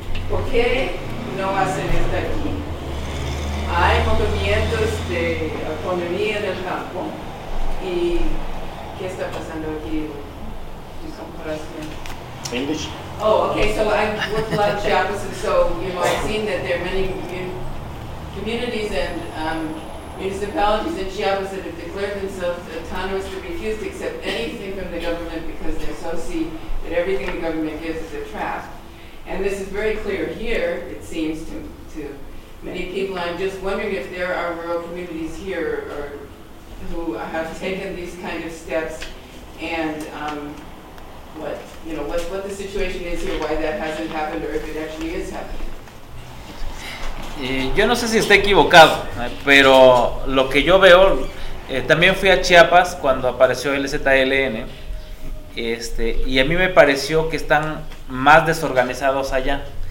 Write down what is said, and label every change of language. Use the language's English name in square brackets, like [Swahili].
[Spanish] ¿Por qué no hacen esto aquí? Hay movimientos de autonomía en el campo y ¿qué está pasando aquí en comparación? [English] English. Oh, okay, so I work a lot in Chiapas, and so, you know, I've seen that there are many communities and municipalities in Chiapas that have declared themselves autonomous to refuse to accept anything from the government because they so see that everything the government gives is a trap. And this is very clear here, it seems, to many people. I'm just wondering if there are rural communities here or who have taken these kind of steps and what the situation is here, why that hasn't happened, or if it actually is happening. [Spanish] Yo no sé si esté equivocado, pero lo que yo veo, también fui a Chiapas cuando apareció el EZLN, y a mí me pareció que están más desorganizados allá.